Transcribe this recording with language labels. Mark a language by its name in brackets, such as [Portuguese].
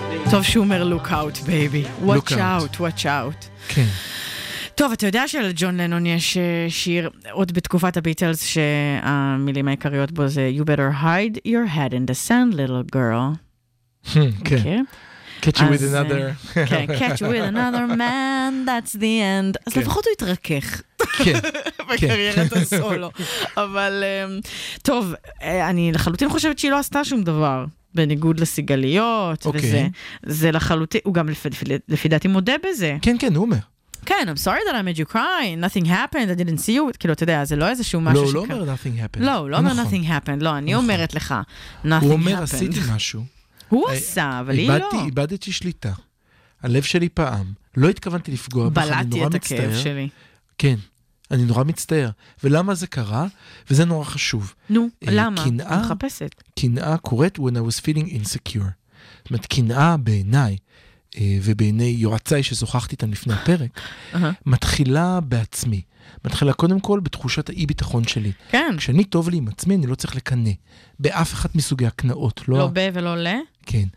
[Hebrew] טוב שהוא אומר [English] look out baby, watch out, watch out. [Hebrew] כן. טוב, אתה יודע שלג'ון לנון יש שיר עוד בתקופת הביטלס שהמילים העיקריות בו זה [English] You better hide your head in the sand, little girl. [Hebrew] כן. [English] Catch you with another. [Hebrew] כן, [English] catch you with another man, that's the end. [Hebrew] אז לפחות הוא התרכך. כן. בקריירת הסולו. אבל טוב, אני לחלוטין חושבת שהיא לא עשתה שום דבר. בניגוד לסיגליות, וזה, זה לחלוטין, הוא גם לפי דעתי מודה בזה. כן, כן, הוא אומר. כן, [English] I'm sorry that I made you cry, nothing happened, I didn't see you, [Hebrew] כאילו, אתה יודע, זה לא איזשהו משהו שקרה. לא, הוא לא אומר [English] nothing happened. [Hebrew] לא, הוא לא אומר [English] nothing happened, [Hebrew] לא, אני אומרת לך, nothing happened. הוא אומר, עשיתי משהו. הוא עשה, אבל היא לא. איבדתי שליטה, הלב שלי פעם, לא התכוונתי לפגוע בך, בלעתי את הכאב שלי. כן. אני נורא מצטער. ולמה זה קרה? וזה נורא חשוב. נו, למה? קנאה, אני מחפשת. קנאה קורית [English] when I was feeling insecure. [Hebrew] זאת אומרת, קנאה בעיניי, ובעיני יועציי ששוחחתי איתם לפני הפרק, מתחילה בעצמי. מתחילה קודם כל בתחושת האי ביטחון שלי. כן. כשאני טוב לי עם עצמי, אני לא צריך לקנא. באף אחד מסוגי הקנאות. לא, לא ב ולא ל? כן.